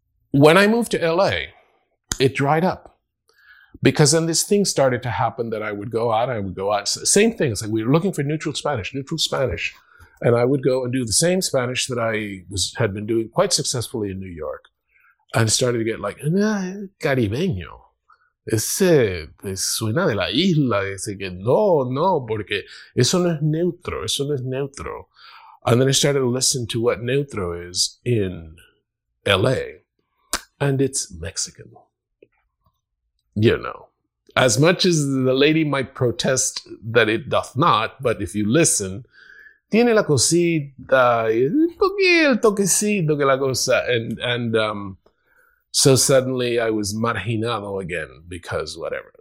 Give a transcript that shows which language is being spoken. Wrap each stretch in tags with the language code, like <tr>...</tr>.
<en>When I moved to LA, it dried up because then this thing started to happen that I would go out. Same thing. It's like, we were looking for neutral Spanish. And I would go and do the same Spanish that I had been doing quite successfully in New York and started to get like, caribeño.</en> <es>Ese suena de la isla, ese que no, porque eso no es neutro.</es> <en>And then I started to listen to what neutro is in LA, and it's Mexican. You know, as much as the lady might protest that it doth not, but if you listen,</en> <es>tiene la cosita, un poquito el toquecito que la cosa,</es> <en>so suddenly I was marginado again because whatever.</en>